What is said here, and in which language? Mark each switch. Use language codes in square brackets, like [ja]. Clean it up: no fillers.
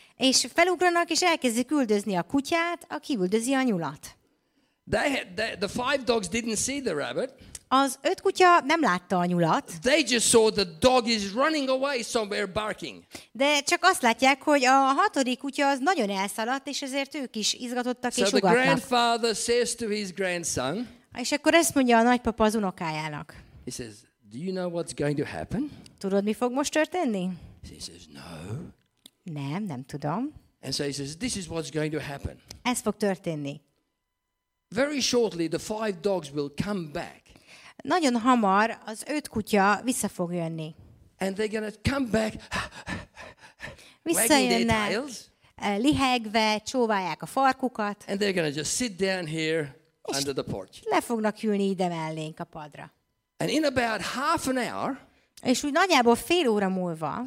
[hu] És felugranak és elkezdik üldözni a kutyát, aki üldözi a nyulat. [en] The 5 dogs didn't see the rabbit. [hu] Az 5 kutya nem látta a nyulat. [en] They just saw the dog is running away somewhere barking. [hu] De csak azt látják, hogy a 6. kutya az nagyon elszaladt, és ezért ők is izgatottak és ugatnak. [en] So the grandfather says to his grandson. [hu] És akkor ezt mondja a nagypapa az unokájának. [en] He says, "Do you know what's going to happen?" [hu] Tudod, mi fog most történni? [en] He says, "No." [hu] Nem tudom. [en] And so he says, "This is what's going to happen." [hu] Ez fog történni. [en] Very shortly, the 5 dogs will come back. [hu] nagyon hamar az öt kutya vissza fog jönni. [en] And they're gonna come back. [hu] Visszajönnek, lihegve, csóválják a farkukat. [en] And they're gonna just sit down here under the porch. [hu] Le fognak ülni ide mellénk a padra. [en] And in about half an hour, [hu] és úgy nagyjából fél óra múlva,